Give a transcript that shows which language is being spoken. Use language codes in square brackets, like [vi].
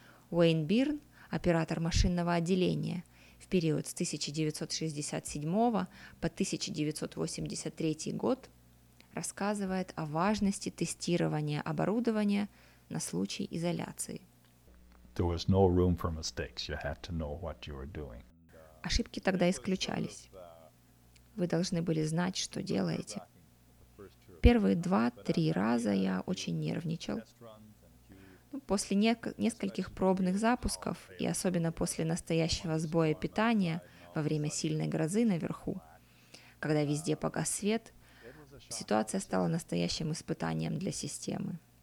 [ru] Уэйн Бирн, оператор машинного отделения, в период с 1967 по 1983 год рассказывает о важности тестирования оборудования на случай изоляции. [en] There was no room for mistakes. You had to know what you were doing. [ru] Ошибки тогда исключались. Вы должны были знать, что делаете. Первые 2-3 раза я очень нервничал. После нескольких пробных запусков, и особенно после настоящего сбоя питания во время сильной грозы наверху, когда везде погас свет, ситуация стала настоящим испытанием для системы.